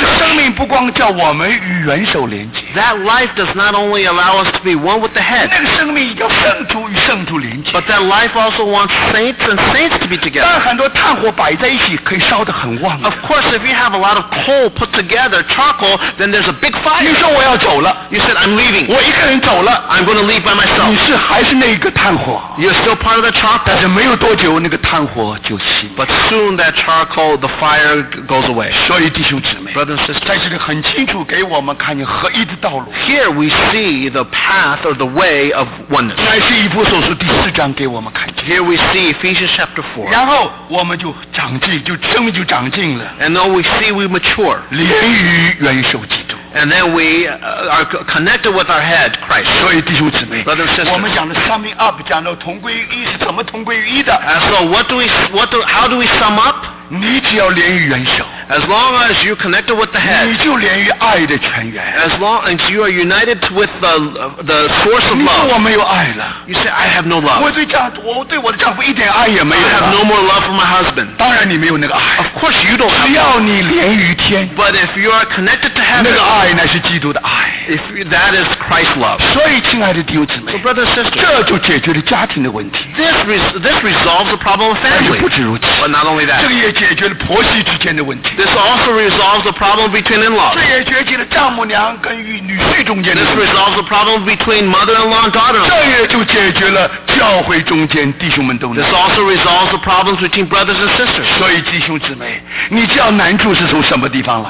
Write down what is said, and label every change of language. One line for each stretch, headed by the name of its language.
Chinese: 那个生命不光叫我们与元首连接。
English: That life does not only allow us to be one with the head.
Chinese: 那个生命叫圣徒与圣徒连接。
English: But that life also wants saints and saints to be together.
Chinese: 但很多炭火摆在一起可以烧得很旺。
English: Of course, if you have a lot of coal put together, charcoal, then there's a big fire.
Chinese: 你说我要走了。
English: You said I'm leaving.
Chinese: 我一个人走了。
English: I'm going to leave by myself.
Chinese: 你是还是那一个炭火。
English: You're still part of the charcoal.
Chinese: 但是没有多久，那个炭火就熄。
English: But soon that charcoal, the fire goes away.
Chinese: 所以弟兄姊妹，
English: brothers and sisters,
Chinese: 在这里很清楚给我们看见合一的道路。
English: Here we see the path or the way of oneness.
Chinese: 乃是以弗所书第四章给我们看见。
English: Here we see Ephesians chapter 4.
Chinese: 然后我们就长进，就生命就长进了。
English: And now we see we mature.
Chinese: 连于元首基督。
English: And then we are connected with our head, Christ.
Chinese: 所以弟兄姊妹，
English: brothers and sisters,
Chinese: 我们讲的三明 up 讲到同归于一是怎么同归于一的。
English: And so how do we sum up?
Chinese: 你只要连于元首。
English: As long as you're connected with the head,
Chinese: 你就连于爱的泉源。
English: As long as you are united with the source of love,
Chinese: 你说我没有爱了。
English: You say I have no love.
Chinese: 我对我的丈夫一点爱也没有了。
English: I have no more love for my husband.
Chinese: 当然你没有那个爱。
English: Of course you don't have.
Chinese: 只要你连于天。
English: But if you are connected to heaven,
Chinese: 那个爱乃是基督的爱。
English: If that is Christ's love.
Chinese: 所以亲爱的弟兄姊妹，
English: so brothers and sisters,
Chinese: 这就解决了家庭的问题。
English: This resolves the problem of family.
Chinese: 不止如此。
English: But not only that.
Chinese: 这个也解决了婆媳之间的问题。
English: This also resolves the problem between in-laws.
Chinese: 这也解决了丈母娘跟女婿中间的。
English: This resolves the problem between mother-in-law and daughter-in-law.
Chinese: 这也就解决了教会中间弟兄们都难。
English: This also resolves the problems between brothers and sisters.
Chinese: 所以弟兄姊妹，你知道难处是从什么地方来？